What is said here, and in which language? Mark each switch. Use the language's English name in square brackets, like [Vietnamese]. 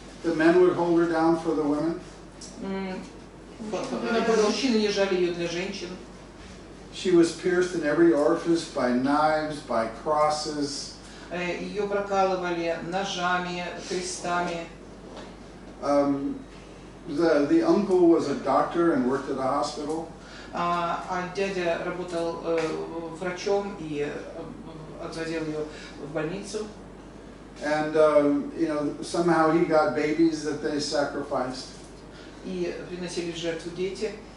[English] The men would hold her down for the women. [Russian] Мужчины держали ее для женщин. [English] She was pierced in every orifice by knives, by crosses. [Russian] Ее прокалывали ножами, крестами. [English] The uncle was a doctor and worked at a hospital. [Russian] А дядя работал врачом и отвозил ее в больницу. [English] And you know, somehow he got babies that they sacrificed. [Russian] И приносили в жертву дети.